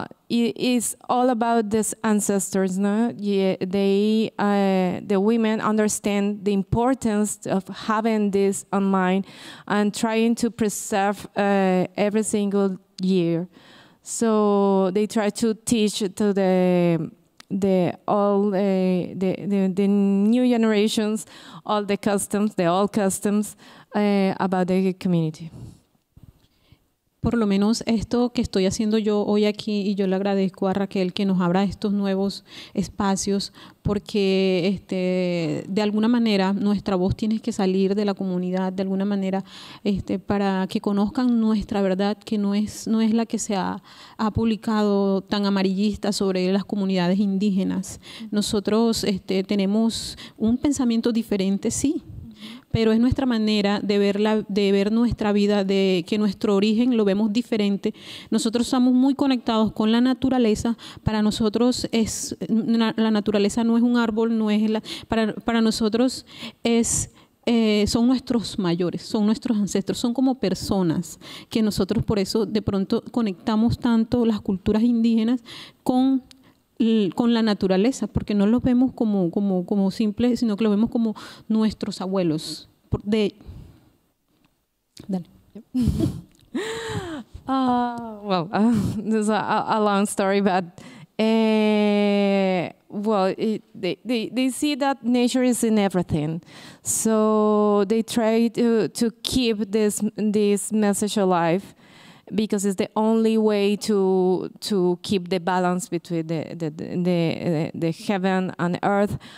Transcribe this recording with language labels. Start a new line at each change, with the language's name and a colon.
English: It is all about these ancestors, no? Yeah, the women understand the importance of having this in mind and trying to preserve every single year. So they try to teach to the new generations, all the customs, the old customs, about the community.
Spanish: Por lo menos esto que estoy haciendo yo hoy aquí, y yo le agradezco a Raquel que nos abra estos nuevos espacios, porque de alguna manera nuestra voz tiene que salir de la comunidad, de alguna manera para que conozcan nuestra verdad, que no es la que se ha publicado tan amarillista sobre las comunidades indígenas. Nosotros tenemos un pensamiento diferente, sí, pero es nuestra manera de ver nuestra vida, de que nuestro origen lo vemos diferente. Nosotros estamos muy conectados con la naturaleza. Para nosotros es la naturaleza, no es un árbol, no es para nosotros es son nuestros mayores, son nuestros ancestros, son como personas que nosotros, por eso de pronto conectamos tanto las culturas indígenas con la naturaleza, porque no los vemos como simples, sino que los vemos como nuestros abuelos. Dale.
English: This is a long story, but they see that nature is in everything, so they try to keep this message alive, because it's the only way to keep the balance between the heaven and earth.